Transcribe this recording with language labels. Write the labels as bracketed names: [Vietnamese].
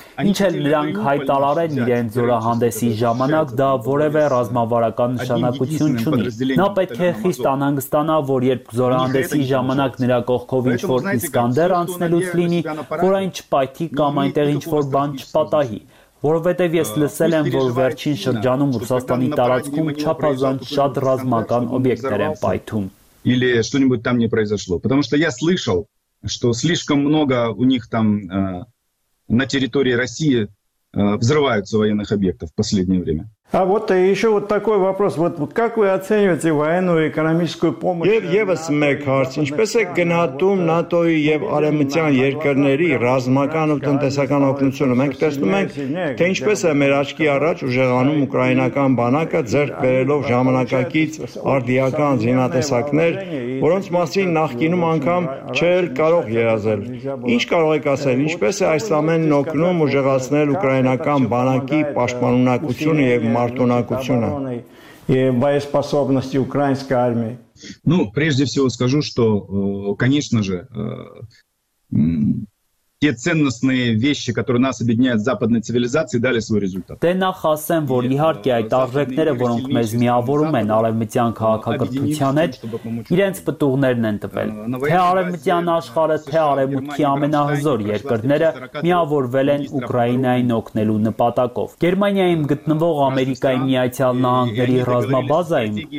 [Armenian] ինչ էլ նրանք հայտարարեն իրենց զորահանդեսի ժամանակ, դա որևէ ռազմավարական նշանակություն չունի։ Նա պետք է խիստ անհանգստանա, որ երբ զորահանդեսի ժամանակ նրա կողքով ինչ-որ Իսկանդեր անցնելուց լինի, որ այն չպայթի կամ այնտեղ ինչ-որ բան չպատահի։ Որովհետև ես լսել եմ, որ վերջին շրջանում Ռուսաստանի տարածքում չափազանց շատ ռազմական օբյեկտներ են պայթում։ [Russian] Или что-нибудь там не произошло, потому что я слышал, что слишком много у них там на территории России взрываются военных объектов в последнее время. А вот еще вот такой вопрос. Вот как вы оцениваете военную и экономическую помощь? [Armenian] Եվս մեկ հարց, ինչպես է գնահատում ՆԱՏՕ-ի եւ Արեմտյան երկրների ռազմական ու տնտեսական օգնությունը։ Մենք տեսնում ենք, թե ինչպես է մեր աչքի առաջ ուժեղանում ուկրաինական բանակը, ձեռք բերելով ժամանակակից արդիական զինատեսակներ, որոնց մասին նախկինում անգամ չէր կարող երազել։ Ինչ կարող եք ասել, ինչպես է այս ամենն օգնում ուժեղացնել ուկրաինական բանակի պաշտպանունակությունը եւ մարտունակությունը [Russian] и боеспособности украинской армии. Ну, прежде всего скажу, что, конечно же, те ценностные вещи, которые нас объединяют с западной цивилизацией, дали свой результат. [Armenian] Դե նա խոսեմ, որ իհարկե այդ արժեքները, որոնք մեզ միավորում են արևմտյան քաղաքակրթության հետ, իրենց պատուգներն են տվել։ Թե արևմտյան աշխարհը, թե արևմուտքի ամենահզոր երկրները միավորվել են Ուկրաինային օգնելու նպատակով։ Գերմանիայում գտնվող Ամերիկայի Միացյալ Նահանգների ռազմաբազայում